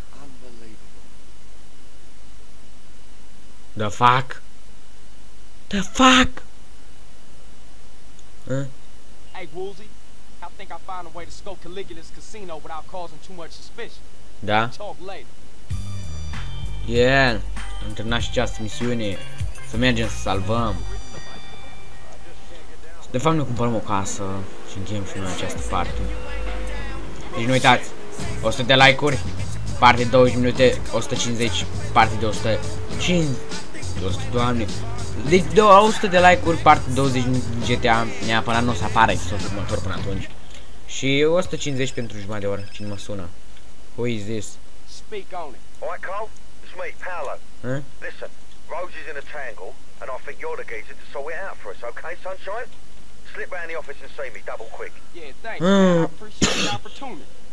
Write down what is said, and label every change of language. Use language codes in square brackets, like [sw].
[en] Unbelievable. The fuck? The fuck? Hey, Woolsey. I think I found a way to scope Caligula's casino without causing too much suspicion. [ro] Da? [en] Talk later. Yeah. [ro] Am terminat și această misiune. Să mergem să salvăm. De fapt, ne cumpărăm o casă și încheiem și noi această parte. Deci nu uitați, 100 de like-uri, parte 20 minute, 150, parte de 100, 200, deci 100 de like-uri, parte 20 minute GTA, neapărat nu o să apară episodul următor până atunci. Și 150 pentru jumătate de oră, cine mă sună? [en] Who is this? Speak on it. Oi, Cole, it's me, Paolo. Listen, Rosie's in a tangle, and I think you're the geezer to sort it out for us, okay, sunshine? Slip around the office and see me, double quick. Yeah, thanks. I appreciate the opportunity.